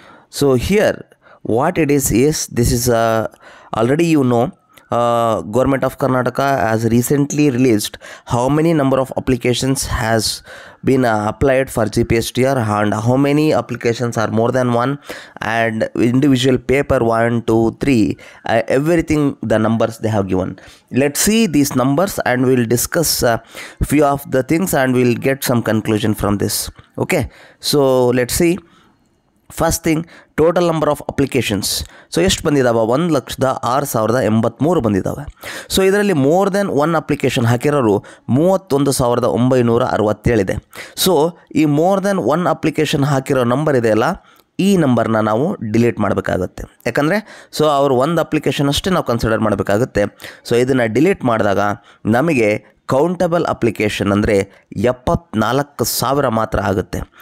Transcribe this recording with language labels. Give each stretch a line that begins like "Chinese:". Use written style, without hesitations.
English: So here, what it is this is already you know, Government of Karnataka has recently released how many number of applications has been applied for GPSTR and how many applications are more than one and individual paper 1, 2, 3, everything the numbers they have given. Let's see these numbers and we'll discuss few of the things and we'll get some conclusion from this. Okay, so let's see. First thing, total number of applications.
Kannada: So, ಎಷ್ಟು ಬಂದಿದಾವೆ 106,083 ಬಂದಿದಾವೆ. So, ಇದರಲ್ಲಿ
English: more than one application
Kannada: ಹಾಕಿರೋರು 31,967 ಇದೆ. So, ಈ
English: more than one application
Kannada: ಹಾಕಿರೋ number ಇದೆಯಲ್ಲ ಈ ನಂಬರ್ನ ನಾವು ಡಿಲೀಟ್ ಮಾಡಬೇಕಾಗುತ್ತೆ. ಯಾಕಂದರೆ ಸೊ ಅವರು ಒಂದು ಅಪ್ಲಿಕೇಶನ್ ಅಷ್ಟೇ ನಾವು ಕನ್ಸಿಡರ್ ಮಾಡಬೇಕಾಗುತ್ತೆ. ಸೊ ಇದನ್ನು ಡಿಲೀಟ್ ಮಾಡಿದಾಗ ನಮಗೆ ಕೌಂಟಬಲ್ ಅಪ್ಲಿಕೇಶನ್ ಅಂದರೆ 74,000 ಮಾತ್ರ ಆಗುತ್ತೆ.